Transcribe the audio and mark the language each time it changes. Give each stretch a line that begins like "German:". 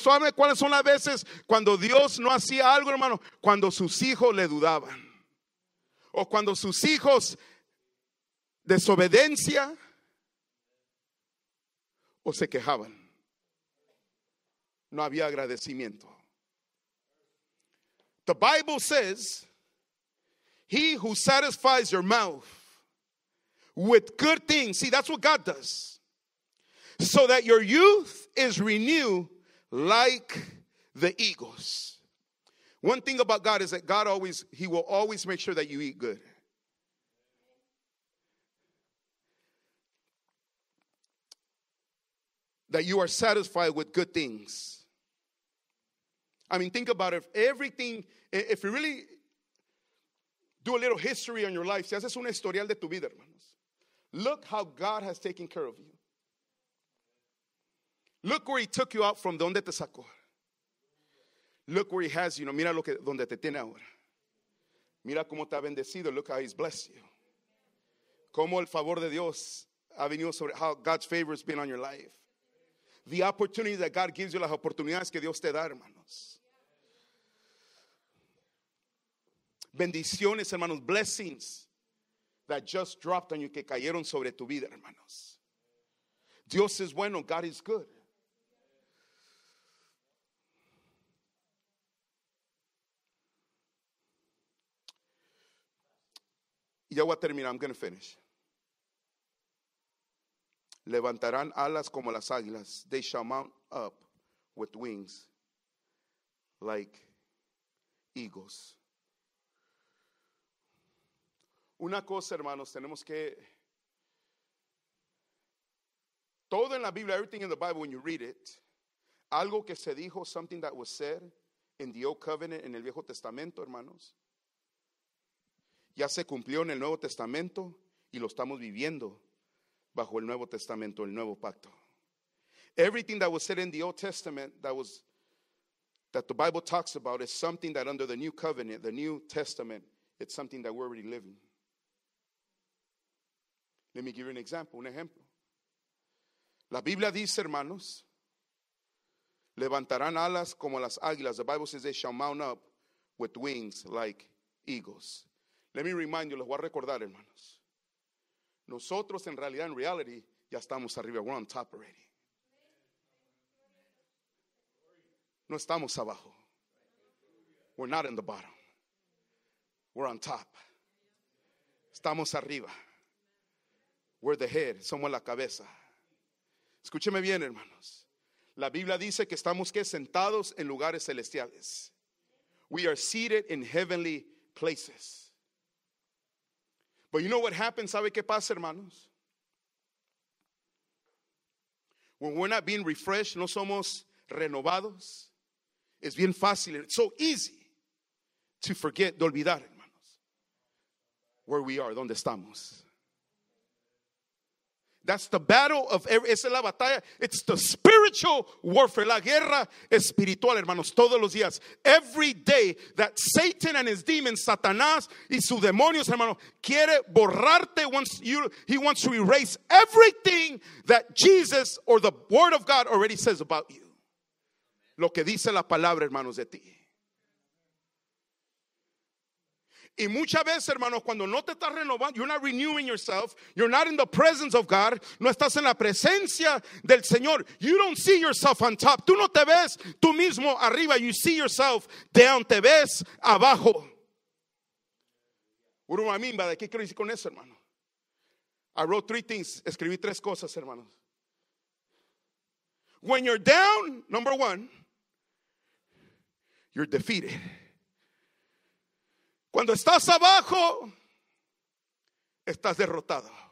Spanish: ¿Sabe cuáles son las veces cuando Dios no hacía algo, hermano? Cuando sus hijos le dudaban. O cuando sus hijos desobedecían o se quejaban. No había agradecimiento.
English: The Bible says, he who satisfies your mouth with good things. See, that's what God does. So that your youth is renewed like the eagles. One thing about God is that God always, he will always make sure that you eat good. That you are satisfied with good things. I mean, think about it. Everything, if you really do a little history on your life,
Spanish: si haces un historial de tu vida, hermanos,
English: look how God has taken care of you. Look where he took you out from, donde te sacó. Look where he has you.
Spanish: Mira lo que, donde te tiene ahora. Mira cómo te ha bendecido.
English: Look how he's blessed you.
Spanish: Cómo el favor de Dios ha venido sobre,
English: how God's favor has been on your life. The opportunity that God gives you,
Spanish: las oportunidades que Dios te da, hermanos. Bendiciones, hermanos,
English: blessings that just dropped on you,
Spanish: que cayeron sobre tu vida, hermanos. Dios es bueno,
English: God is good.
Spanish: Y ya voy a terminar,
English: I'm going to finish.
Spanish: Levantarán alas como las águilas.
English: They shall mount up with wings like eagles.
Spanish: Una cosa, hermanos, tenemos que... Todo en la Biblia,
English: everything in the Bible, when you read it,
Spanish: algo que se dijo,
English: something that was said in the Old Covenant,
Spanish: en el Viejo Testamento, hermanos, ya se cumplió en el Nuevo Testamento y lo estamos viviendo bajo el Nuevo Testamento, el Nuevo Pacto.
English: Everything that was said in the Old Testament that the Bible talks about is something that under the New Covenant, the New Testament, it's something that we're already living. Let me give you an example,
Spanish: un ejemplo. La Biblia dice, hermanos, levantarán alas como las águilas.
English: The Bible says they shall mount up with wings like eagles. Let me remind you,
Spanish: les voy a recordar, hermanos. Nosotros en realidad, en reality, ya estamos arriba.
English: We're on top already.
Spanish: No estamos abajo.
English: We're not in the bottom. We're on top.
Spanish: Estamos arriba.
English: We're the head.
Spanish: Somos la cabeza. Escúcheme bien, hermanos. La Biblia dice que estamos, ¿qué? Sentados en lugares celestiales.
English: We are seated in heavenly places. But you know what happens,
Spanish: ¿sabe qué pasa, hermanos?
English: When we're not being refreshed,
Spanish: no somos renovados, es bien fácil,
English: it's so easy to forget,
Spanish: de olvidar, hermanos,
English: where we are,
Spanish: donde estamos.
English: That's the battle of every,
Spanish: esa es la batalla,
English: it's the spiritual warfare,
Spanish: la guerra espiritual, hermanos, todos los días.
English: Every day that Satan and his demons,
Spanish: Satanás y sus demonios, hermanos, quiere borrarte,
English: he wants to erase everything that Jesus or the word of God already says about you.
Spanish: Lo que dice la palabra, hermanos, de ti. Y muchas veces, hermanos, cuando no te estás renovando,
English: you're not renewing yourself, you're not in the presence of God,
Spanish: no estás en la presencia del Señor,
English: you don't see yourself on top.
Spanish: Tú no te ves tú mismo arriba,
English: you see yourself down,
Spanish: te ves abajo. ¿De qué quiero decir con eso, hermano?
English: I wrote three things,
Spanish: escribí tres cosas, hermanos.
English: When you're down, number one, you're defeated.
Spanish: Cuando estás abajo, estás derrotado.